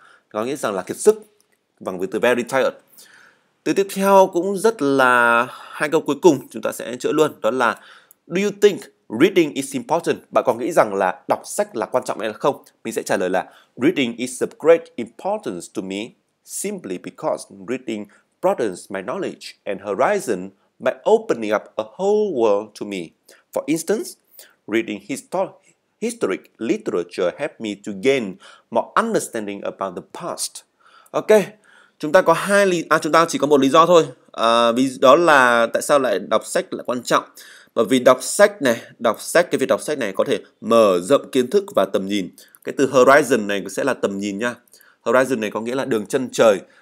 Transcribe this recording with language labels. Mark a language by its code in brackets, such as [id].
[vi] Có nghĩa rằng là kiệt sức, bằng với từ [en] very tired. [vi] Từ tiếp theo cũng rất là hai câu cuối cùng, chúng ta sẽ chữa luôn. [en] Đó là, do you think reading is important? [vi] Bạn có nghĩ rằng là đọc sách là quan trọng hay là không? Mình sẽ trả lời là, [en] reading is of great importance to me, simply because reading broadens my knowledge and horizon by opening up a whole world to me. For instance, reading historic literature helped me to gain more understanding about the past. [vi] Ok, chúng ta chỉ có một lý do thôi. Đó là tại sao lại đọc sách là quan trọng. Bởi vì đọc sách này có thể mở rộng kiến thức và tầm nhìn. Cái từ horizon này sẽ là tầm nhìn nha. Horizon này có nghĩa là đường chân trời.